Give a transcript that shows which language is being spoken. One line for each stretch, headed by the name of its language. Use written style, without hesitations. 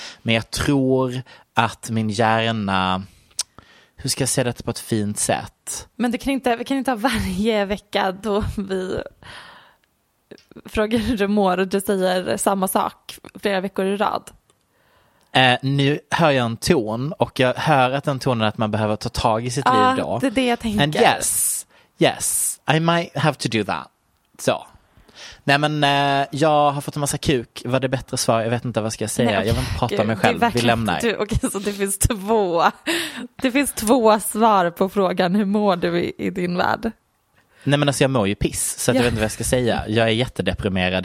Swedish: Men jag tror att min hjärna, hur ska jag säga det på ett fint sätt? Men vi kan inte ha varje vecka då vi frågar hur du mår och du säger samma sak flera veckor i rad. Nu hör jag en ton och jag hör att den tonen är att man behöver ta tag i sitt liv då. Det är det jag tänker.
English: And yes, yes, I might have to do that.
Swedish: Så. Nej men jag har fått en massa kuk. Var det bättre svar? Jag vet inte vad ska jag säga. Nej, okay. Jag vill inte prata med mig själv. Vi lämnar. Okej, så det finns två. Det finns två svar på frågan hur mår du i din värld? Nej men alltså jag mår ju piss. Så att jag vet inte vad jag ska säga. Jag är jättedeprimerad.